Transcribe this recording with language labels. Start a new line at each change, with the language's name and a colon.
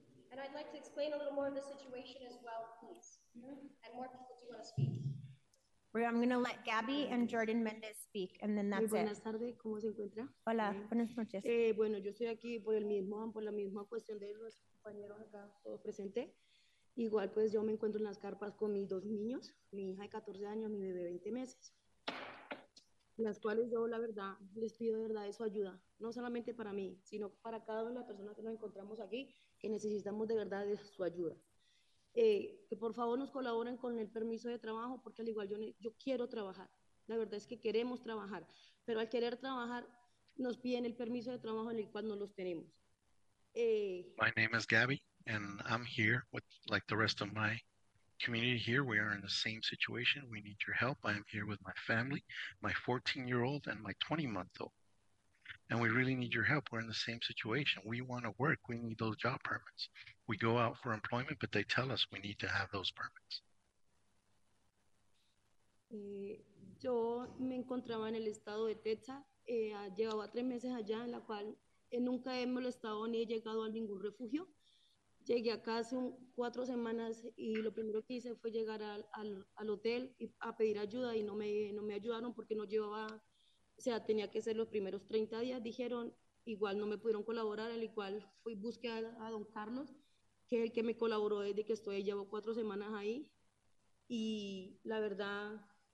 English: And I'd like to explain a little more of the situation as well, please. Mm-hmm. And more people do want to speak. I'm going to let Gabby and Jordan Mendez speak, and then that's it.
Spanish: Buenas tardes, ¿cómo se encuentra? Hola, buenas noches. Bueno, yo estoy aquí por la misma cuestión de los compañeros acá, todos presentes. Igual, pues, yo me encuentro en las carpas con mis dos niños, mi hija de 14 años, mi bebé de 20 meses, las cuales yo, la verdad, les pido de verdad su ayuda, no solamente para mí, sino para cada una de las personas que nos encontramos aquí, que necesitamos de verdad de su ayuda. Que por favor nos colaboren con el permiso de trabajo, porque al igual yo quiero trabajar, la verdad es que queremos trabajar, pero al querer trabajar nos piden el permiso de trabajo en el cual no los tenemos.
English: My name is Gabby and I'm here with like the rest of my community here. We are in the same situation. We need your help. I am here with my family, my 14-year-old and my 20-month-old, and we really need your help. We're in the same situation. We want to work. We need those job permits. We go out for employment, but they tell us we need to have those permits.
Spanish: Yo me encontraba en el estado de Texas. Llevaba tres meses allá, en la cual nunca he molestado ni he llegado a ningún refugio. Llegué acá hace cuatro semanas y lo primero que hice fue llegar al hotel y a pedir ayuda y no me ayudaron porque no llevaba, o sea, tenía que ser los primeros 30 días, dijeron, igual no me pudieron colaborar, al igual fui busqué a don Carlos, que es el que me colaboró desde que estoy, llevo cuatro semanas ahí, y la verdad,